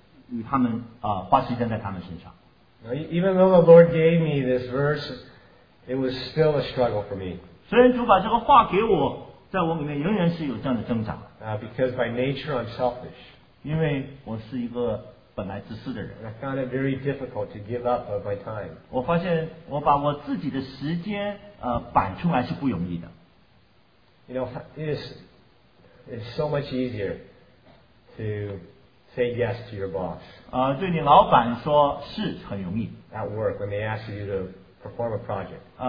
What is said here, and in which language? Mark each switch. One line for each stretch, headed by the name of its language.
Chinese: 我需要对于神的事情，与他们花时间在他们身上。
English: Even though the Lord gave me this verse, it was still a struggle for me.
Chinese: 虽然主把这个话给我，在我里面仍然是有这样的挣扎。
English: Because by nature I'm selfish.
Chinese: 因为我是一个
English: I found it very difficult to give up of my time.
Chinese: 我发现我把我自己的时间板出来是不容易的。
English: You know, it's so much easier to say yes to your boss.
Chinese: 对你老板说是很容易。
English: At work, when they ask you to perform a project.